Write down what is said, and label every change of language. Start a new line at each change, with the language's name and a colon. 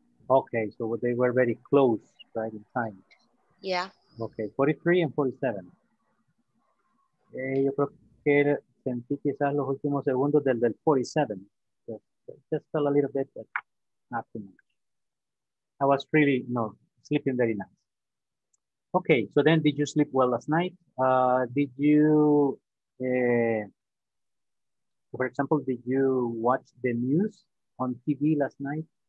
English: Okay, so they were very close, right, in time. Yeah. Okay, 43 and 47.
Spanish: Yo creo que sentí quizás los últimos segundos del 47.
English: Just fell a little bit, but not too much. I was really, no, sleeping very nice. Okay, so then did you sleep well last night? Did you, for example, did you watch the news on TV last night?